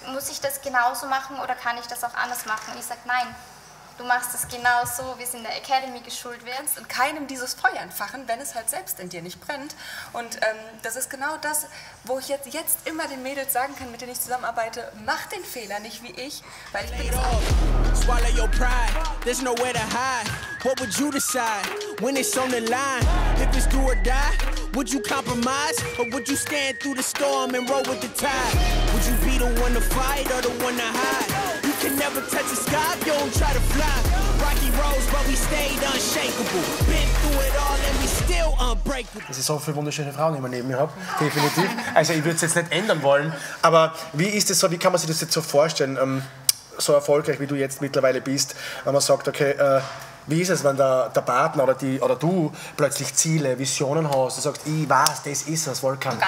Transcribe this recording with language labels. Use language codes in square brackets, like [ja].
[de] Muss ich das genauso machen oder kann ich das auch anders machen? Und ich sage, nein, du machst es genau so, wie es in der Academy geschult wird. Kannst in keinem dieses Feuer entfachen, wenn es halt selbst in dir nicht brennt. Und das ist genau das, wo ich jetzt immer den Mädels sagen kann, mit denen ich zusammenarbeite, mach den Fehler nicht wie ich, weil ich bin das auch. [en] Swallow your pride, there's nowhere to hide. What would you decide when it's on the line? If it's do or die, would you compromise? Or would you stand through the storm and roll with the tide? Would you be the one to fight or the one to hide? You can never touch the sky if you don't try to fly. Rocky Rose, but we stayed unshakable. Been through it all and we still unbreakable. [de] Es ist so viele wunderschöne Frauen, die ich neben mir habe, definitiv. Also ich würde es jetzt nicht ändern wollen, aber wie ist es so, wie kann man sich das jetzt so vorstellen, so erfolgreich, wie du jetzt mittlerweile bist, wenn man sagt, okay, wie ist es, wenn der Partner oder die oder du plötzlich Ziele, Visionen hast und sagst, ich weiß, das ist es, Volkan.